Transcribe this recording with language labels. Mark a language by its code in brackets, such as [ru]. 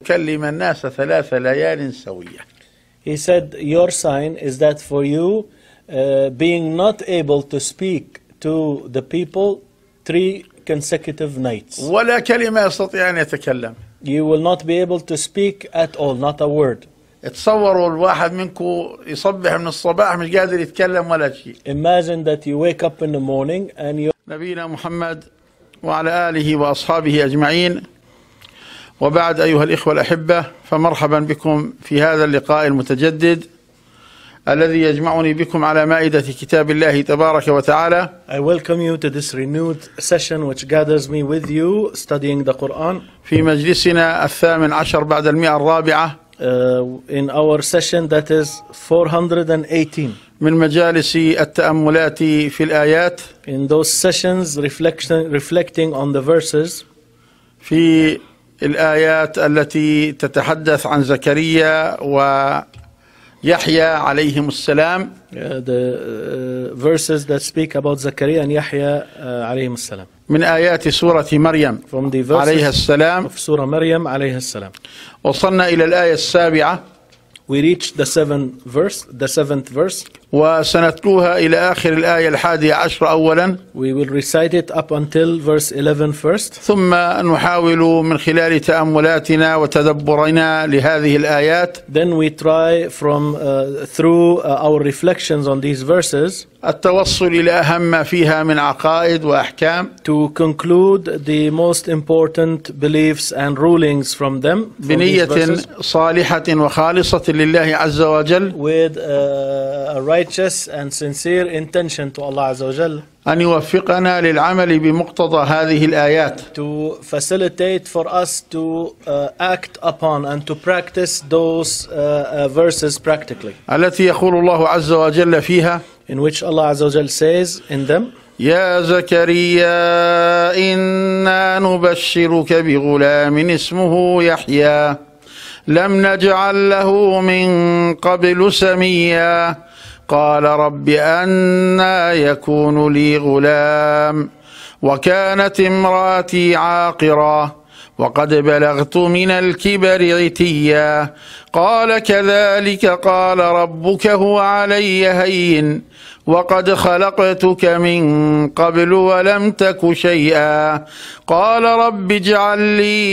[ar] كلم الناس ثلاث ليال سوية. [en] He said, your sign is that for you, being not able to speak to the people three consecutive nights. [ar] ولا كلمة يستطيع أن يتكلم. [en] You will not be able to speak at all, not a word. [ar] تصوروا الواحد منكم يصبح من الصباح مش قادر يتكلم ولا شيء. [en] Imagine that you wake up in the morning and you. [ar] نبينا محمد وعلى آله وأصحابه أجمعين. وبعد أيها الإخوة الأحبة فمرحبا بكم في هذا اللقاء المتجدد الذي يجمعني بكم على مائدة كتاب الله تبارك وتعالى. [en] I welcome you to this renewed session which gathers me with you studying the Quran. [ar] في مجلسنا الثامن عشر بعد المئة الرابعة. [en] In our session that is 418. [ar] من مجالس التأملات في الآيات. [en] In those sessions reflecting on the verses. [ar] في الآيات التي تتحدث عن زكريا ويحيى عليهم السلام. [en] The verses that speak about Zakaria and Yahya [ar] عليهم السلام. من آيات سورة مريم [en] From the verses [ar] عليها السلام. [en] Of [ar] سورة مريم عليها السلام. وصلنا إلى الآية السابعة. [en] We reached the seventh verse. [ar] وسنتلوها إلى آخر الآية الحادية عشر أولا. [en] We will recite it up until verse 11 first. [ar] ثم نحاول من خلال تأملاتنا وتدبرنا لهذه الآيات. [en] Then we try from through our reflections on these verses. [ar] التوصل إلى أهم ما فيها من عقائد وأحكام. [en] To conclude the most important beliefs and rulings from them. From [ar] بنية صالحة وخالصة لله عز وجل. [en] With a righteous and sincere intention to Allah [ar] عز وجل. أن يوفقنا للعمل بمقتضى هذه الآيات. [en] To facilitate for us to act upon and to practice those verses practically. [ar] التي يقول الله عز وجل فيها. [en] In which Allah [ar] عز وجل [en] says in them. [ar] يا زكريا إنا نبشرك بغلام اسمه يحيى لم نجعل له من قبل سميا قال رب أنى يكون لي غلام وكانت امرأتي عاقرا وقد بلغت من الكبر عتيا قال كذلك قال ربك هو علي هين وقد خلقتك من قبل ولم تك شيئا قال رب اجعل لي